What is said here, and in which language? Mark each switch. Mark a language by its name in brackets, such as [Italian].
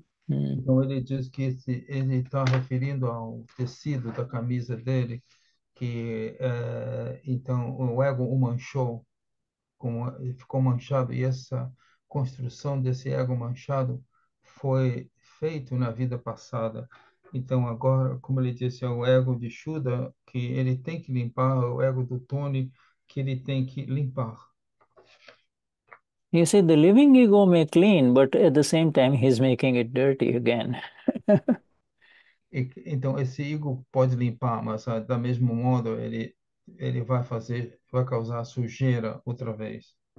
[Portuguese] Então ele diz que ele está referindo ao tecido da camisa dele, que então o ego o manchou, ficou manchado, e essa construção desse ego manchado foi feito na vida passada. Então agora, como ele disse, é o ego de Shuddha que ele tem que limpar, o ego do Tony que ele tem que limpar. [English] You see, the living ego may clean, but at the same time, he's making it dirty again. [Portuguese] Então, esse ego pode limpar, mas da mesma modo ele vai causar sujeira outra vez.